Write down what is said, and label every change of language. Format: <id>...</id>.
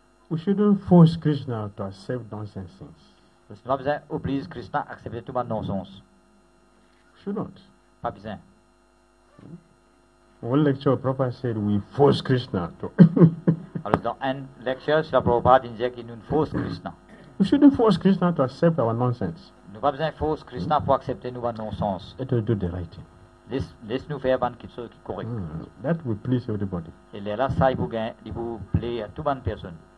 <en>We shouldn't force Krishna to accept nonsense things.</en> <fr>Nous n'avons pas besoin d'obliger Krishna à accepter tout le non-sens.</fr> <en>Shouldn't.</en> <fr>Pas besoin.</fr> <en>One lecture, Prabhupada said, we force Krishna to.</en> <fr>Alors dans un lecture, Srila Prabhupada disait qu'il nous force Krishna.</fr> <en>We shouldn't force Krishna to accept our nonsense.</en> <fr>Nous pas besoin force Krishna pour accepter nos non-sens.</fr> <en>It will do the right thing.</en> <fr>Laisse nous faire quelque chose qui est correct.</fr> <en>That will please everybody.</en> <fr>Et là, ça, il vous gagne, il vous plaît à toute bonne personne.</fr>